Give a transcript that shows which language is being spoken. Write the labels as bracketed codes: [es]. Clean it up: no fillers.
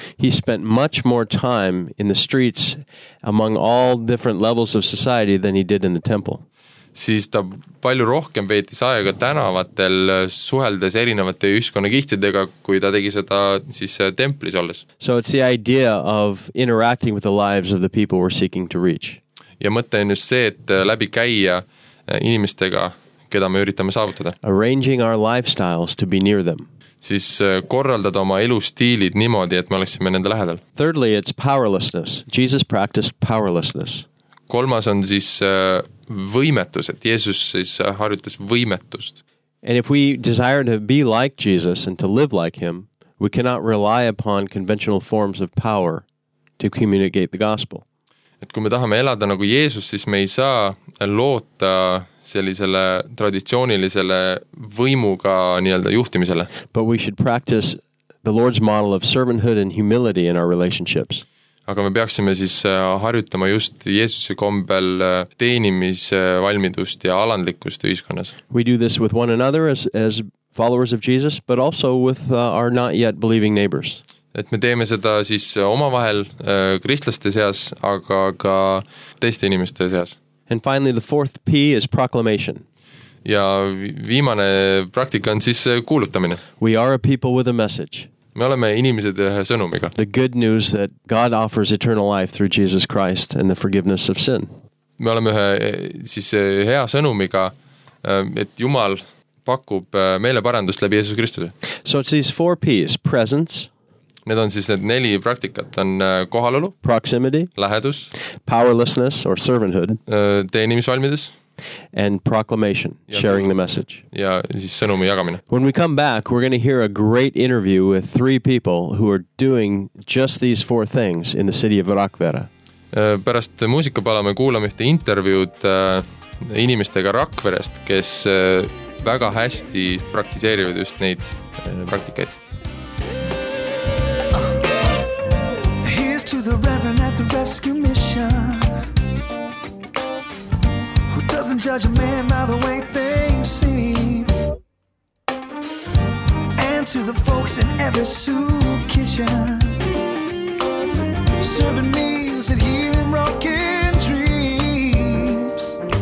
[en] he spent much more time in the streets among all different levels of society than he did in the temple. [et] Siis ta palju rohkem veetis aega tänavatel suheldes erinevate ühiskonna kihtidega, kui ta tegi seda siis templis olles. [en] So it's the idea of interacting with the lives of the people we're seeking to reach. [et] Ja mõte on just see, et läbi käia inimestega, keda me üritame saavutada. [en] Arranging our lifestyles to be near them. [et] Siis korraldada oma elustiilid niimoodi, et me oleksime nende lähedal. [en] Thirdly, it's powerlessness. Jesus practiced powerlessness. [et] Kolmas on siis võimetus, et Jeesus siis harjutas võimetust. [en] And if we desire to be like Jesus and to live like him, we cannot rely upon conventional forms of power to communicate the gospel. [et] Et kui me tahame elada nagu Jeesus, siis me ei saa loota sellisele traditsioonilisele võimuga nii-öelda juhtimisele. [en] But we should practice the Lord's model of servanthood and humility in our relationships. [et] aga me peaksime siis harjutama just Jeesuse kombel teenimise valmidust ja alandlikkust ühiskonnas. [en] We do this with one another as followers of Jesus, but also with our not yet believing neighbors. [et] Et me teeme seda siis omavahel kristlaste seas, aga ka teiste inimeste seas. [en] And finally the fourth P is proclamation. [et] Ja viimane praktika on siis kuulutamine. [en] We are a people with a message. [et] Me oleme inimesed ühe sõnumiga. [en] The good news that God offers eternal life through Jesus Christ and the forgiveness of sin. [et] Me oleme ühe siis hea sõnumiga, et Jumal pakub meile parandust läbi Jeesus Kristuse. [en] So it's these four P's, presence. [et] Need on siis need neli praktikat, on kohalolu. [en] Proximity. [et] Lähedus. [en] Powerlessness or servanthood. [et] Teenimisvalmidus. [en] And proclamation, sharing the message. [et] Ja siis sõnumi jagamine. [en] When we come back, we're going to hear a great interview with three people who are doing just these four things in the city of Rakvere. [et] Pärast muusikapala me kuulame ühte intervjuud inimestega Rakverest, kes väga hästi praktiseerivad just neid praktikaid. [en] Here's to the Reverend at the rescue mission. Doesn't judge a man by the way things seem. And to the folks in every soup kitchen, serving meals and healing broken dreams.